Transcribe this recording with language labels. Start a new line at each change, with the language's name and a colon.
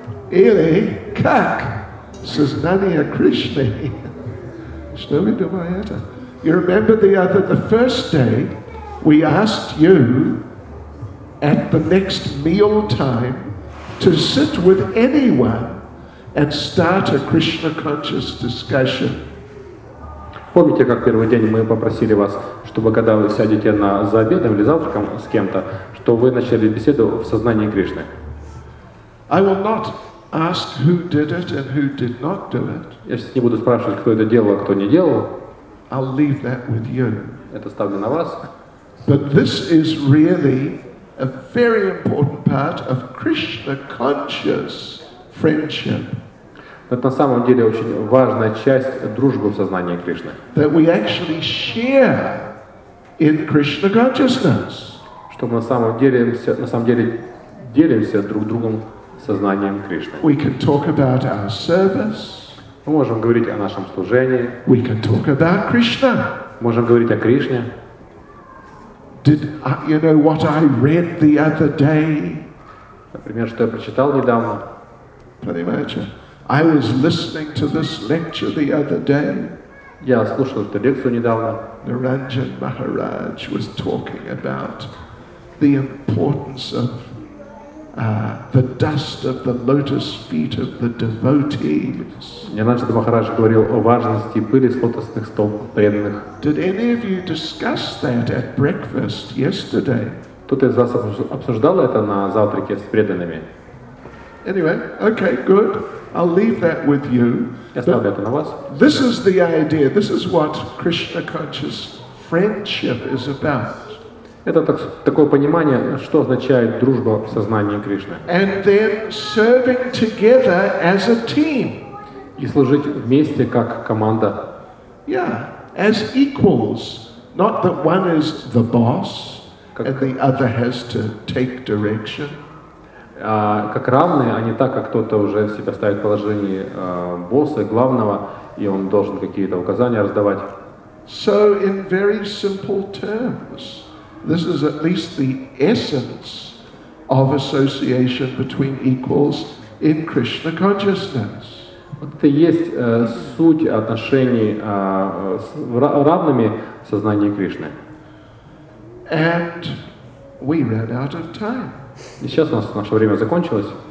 Russian: Или как сознание Кришны. Что вы думаете?
English: You remember the first day we asked you at the next meal time to sit with anyone and start a Krishna conscious discussion.
Russian: Помните, как первый день мы попросили вас, чтобы когда вы сядете за обедом или завтраком с кем-то, что вы начали беседу в сознании Кришны?
English: I will not ask who did it and who did not do it.
Russian: Я сейчас не буду спрашивать, кто это делал, а кто не делал.
English: I'll leave that with you.
Russian: Это ставлю на вас.
English: But this is really a very important part of Krishna conscious friendship.
Russian: Это на самом деле очень важная часть дружбы в сознании Кришны.
English: That we actually share in Krishna consciousness.
Russian: Что мы на самом деле делимся друг другом сознанием Кришны.
English: We can talk about our service.
Russian: Мы можем говорить о нашем служении.
English: We can talk about Krishna.
Russian: Можем говорить о Кришне.
English: Did you know what I read the other day?
Russian: Например, что я прочитал недавно.
English: Pretty much. I was listening to this lecture the other day.
Russian: Я слушал эту лекцию недавно.
English: Niranjan Maharaj was talking about the importance of the dust of the lotus feet of the devotees.
Russian: Нянаджи Махарадж говорил о важности пыли с лотосных стоп преданных.
English: Did any of you discuss that at breakfast yesterday?
Russian: Кто-то из вас обсуждал это на завтраке с преданными?
English: Anyway, okay, good. I'll leave that with you.
Russian: Я оставлю это на вас.
English: This is the idea. This is what Krishna conscious friendship is about.
Russian: Это такое понимание, что означает дружба в сознании Кришны.
English: And then serving together as a team.
Russian: И служить вместе как команда.
English: Yeah, as equals. Not that one is the boss
Russian: как...
English: and the other has to take direction.
Russian: Как равные, а не так, как кто-то уже себя ставит в положении босса, главного, и он должен какие-то указания раздавать.
English: So in very simple terms. This is at least the essence of association between equals in Krishna consciousness.
Russian: Вот это есть суть отношений с равными в сознании Кришны.
English: And we ran out of time.
Russian: И сейчас у нас наше время закончилось.